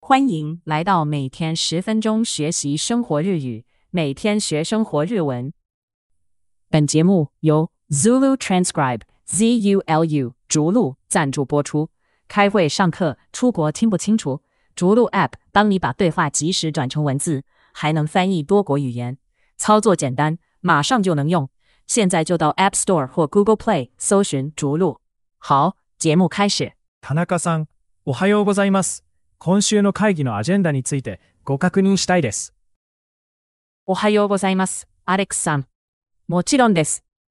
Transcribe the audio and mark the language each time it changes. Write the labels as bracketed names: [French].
[Chinese] 欢迎来到每天十分钟学习生活日语，每天学生活日文。本节目由 Zulu Transcribe ZULU 逐鹿赞助播出。开会、上课、出国听不清楚，逐鹿 App 帮你把对话及时转成文字，还能翻译多国语言，操作简单，马上就能用。现在就到 App Store 或 Google Play 搜寻逐鹿。好，节目开始。 [Japanese] 田中さん、おはようございます。今週の会議のアジェンダについてご確認したいです。おはようございます、アレックスさん。もちろんです。